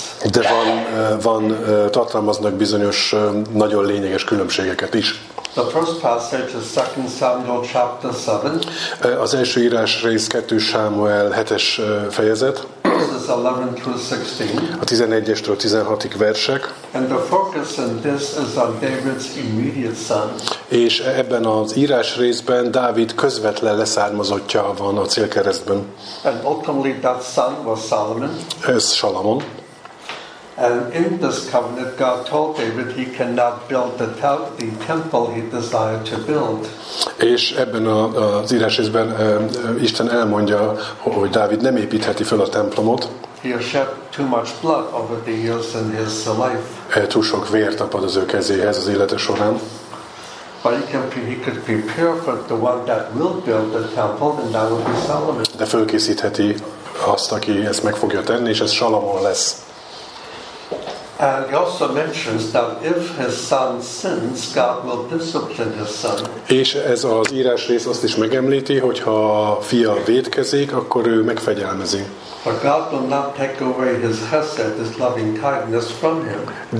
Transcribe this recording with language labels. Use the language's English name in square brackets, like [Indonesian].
[Hungarian] De van tartalmaznak bizonyos nagyon lényeges különbségeket is. [English] The first passage is 2 Samuel chapter 7. [Hungarian] Az első írás rész 2 Sámuel 7-es fejezet. [English] Verses 11 through 16. [Hungarian] A 11-estől 16-ig versek. [English] And the focus in this is on David's immediate son. [Hungarian] És ebben az írás részben Dávid közvetlen leszármazottja van a célkeresztben. [English] And ultimately that son was Solomon. [Hungarian] Ez Salamon. [English] And in this covenant God told David he cannot build the temple he desired to build. [Hungarian] És ebben az írás részben Isten elmondja, hogy Dávid nem építheti fel a templomot. [English] He has shed too much blood over the years in his life. [Hungarian] Túl sok vér tapad az ő kezéhez az élete során. [English] He could prepare for the one that will build the temple and that will be Solomon. [Hungarian] De fölkészítheti azt, aki ezt meg fogja tenni, és ez Salamon lesz. [English] And he also mentions that if his son sins, God will discipline his son. [Hungarian] És ez az írás rész azt is megemlíti, hogy ha a fia vétkezik, akkor ő megfegyelmezi. [English] But God will not take away his hesed, his loving kindness from him.